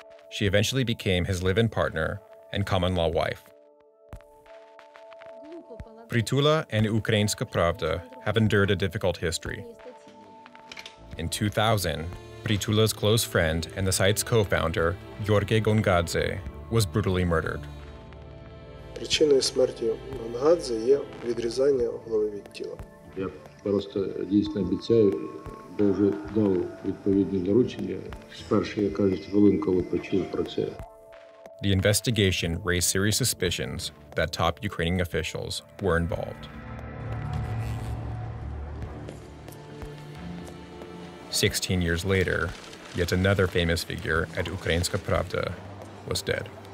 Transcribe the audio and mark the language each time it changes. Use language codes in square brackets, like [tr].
[en] She eventually became his live-in partner and common-law wife. Pritula and Ukrainska Pravda have endured a difficult history. In 2000, Pritula's close friend and the site's co-founder, Gheorghe Gongadze, was brutally murdered. [uk] Причиною смерті Гонгадзе є відрізання голови від тіла. Я просто дійсно обіцяю, бо вже дав відповідні доручення. Вперше, я кажуть, хвилинку почув про це. [en] The investigation raised serious suspicions that top Ukrainian officials were involved. 16 years later, yet another famous figure at Ukrainska Pravda was dead.